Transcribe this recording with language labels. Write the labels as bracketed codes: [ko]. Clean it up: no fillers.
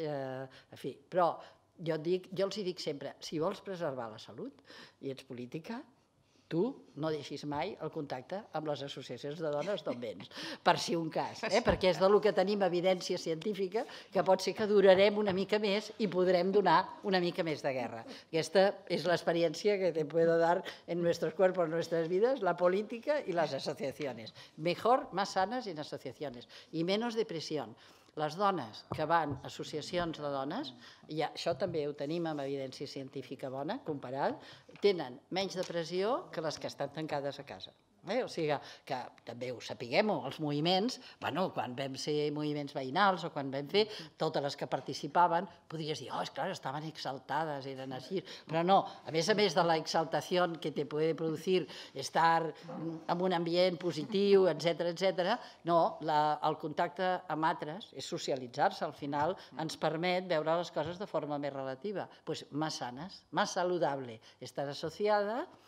[ca] en fi, però jo els dic sempre, si vols preservar la salut i ets política, tu no deixis mai el contacte amb les associacions de dones d'on vens, per si un cas, perquè és del que tenim evidència científica, que pot ser que durarem una mica més i podrem donar una mica més de guerra. Aquesta és l'experiència que [es] te puedo dar en nuestros cuerpos, nuestras vidas, [ca] la política i les associacions. [es] Mejor, más sanas en asociaciones y menos depresión. [ca] Les dones que van a associacions de dones, i això també ho tenim amb evidència científica bona, comparat, tenen menys depressió que les que estan tancades a casa. O sigui, que també ho sapiguem, els moviments, bueno, quan vam ser moviments veïnals o quan vam fer, totes les que participaven, podries dir, oh, és clar, estaven exaltades, eren així, però no, a més de la exaltació que [es] te puede producir [ca] estar en un ambient positiu, etcètera, etcètera, no, el contacte amb altres, és socialitzar-se al final, ens permet veure les coses de forma més relativa, pues, més sanes, més saludable, estar associada.